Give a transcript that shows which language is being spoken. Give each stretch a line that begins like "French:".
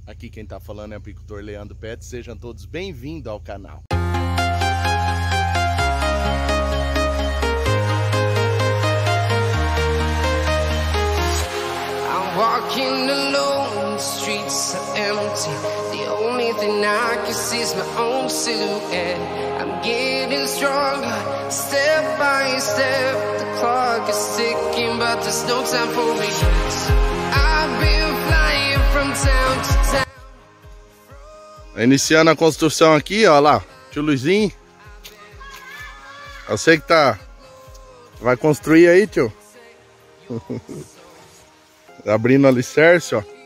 Portuguese: Aqui quem tá falando é o apicultor Leandro Pet. Sejam todos bem-vindos ao canal.
English: I'm walking alone, the streets are empty. The only thing I can see is my own silhouette. I'm getting stronger, step by step. Is ticking, but there's no time for me. I've been flying from town to town.
Portuguese: Iniciando a construção aqui, ó lá, tio Luizinho. Eu sei que tá. Vai construir aí, tio. Abrindo o alicerce, ó.